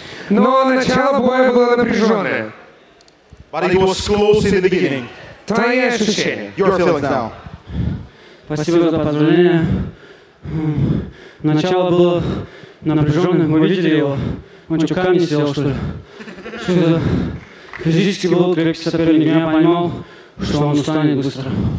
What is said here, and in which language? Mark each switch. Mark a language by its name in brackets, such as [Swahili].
[Russian] Но начало боя было напряженное. [English] But it was close in the beginning. [Russian] Твои ощущения? [English] Your feelings now. [Russian] Спасибо за поздравление. Начало было напряженное. Мы видели его. Он что, камни сделал, что ли? Что это? Физически был крепкий соперник. Я понимал, что он устанет быстро.